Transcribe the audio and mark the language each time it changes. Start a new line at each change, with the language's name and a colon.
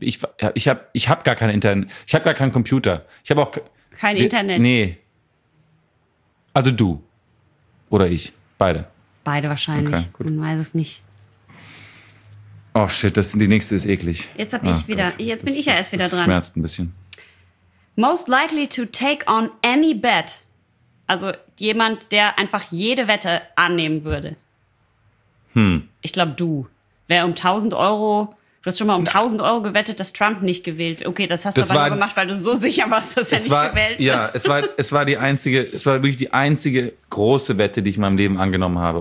German: Ich hab gar kein Internet. Ich habe gar keinen Computer. Ich habe auch kein Internet. Nee. Also du. Oder ich. Beide. Beide wahrscheinlich. Okay, gut. Man weiß es nicht. Oh shit, die nächste ist eklig. Jetzt hab ich wieder. Gott. Jetzt bin ich ja erst wieder dran. Das schmerzt ein bisschen.
English: Most likely to take on any bet.
German: Also jemand, der einfach jede Wette annehmen würde. Ich glaube, du. Wer um 1000 Euro, du hast schon mal um 1000 Euro gewettet, dass Trump nicht gewählt. Okay, das hast du aber nur gemacht, weil du so sicher warst, dass er nicht gewählt wird. Ja, es war wirklich die einzige große Wette, die ich in meinem Leben angenommen habe.